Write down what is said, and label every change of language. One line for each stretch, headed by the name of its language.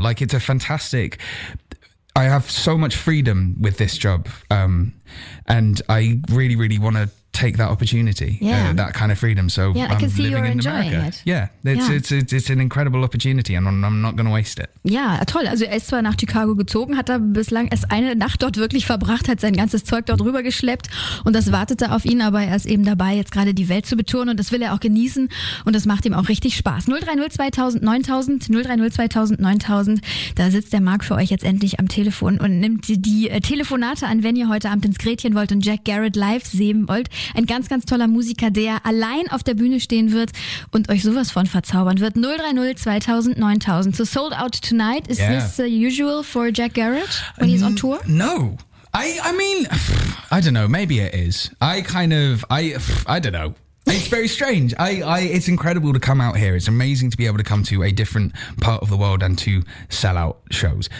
English: Like, it's a fantastic... I have so much freedom with this job, and I really, really want to take that opportunity, that kind of freedom. So yeah, I can see you're enjoying it. It's an incredible opportunity, and I'm not going to waste it.
German: Ja, toll. Also er ist zwar nach Chicago gezogen, hat er bislang erst eine Nacht dort wirklich verbracht, hat sein ganzes Zeug dort rüber geschleppt und das wartete auf ihn, aber er ist eben dabei, jetzt gerade die Welt zu betouren und das will er auch genießen und das macht ihm auch richtig Spaß. 030-2000-9000, da sitzt der Marc für euch jetzt endlich am Telefon und nimmt die Telefonate an, wenn ihr heute Abend ins Gretchen wollt und Jack Garrett live sehen wollt. Ein ganz, ganz toller Musiker, der allein auf der Bühne stehen wird und euch sowas von verzaubern wird.
English: 030-2000-9000. So sold out tonight. Is this usual for Jack Garrett when he's on tour? No. I mean, I don't know. Maybe it is. I don't know. It's very strange. It's incredible to come out here. It's amazing to be able to come to a different part of the world and to sell out shows.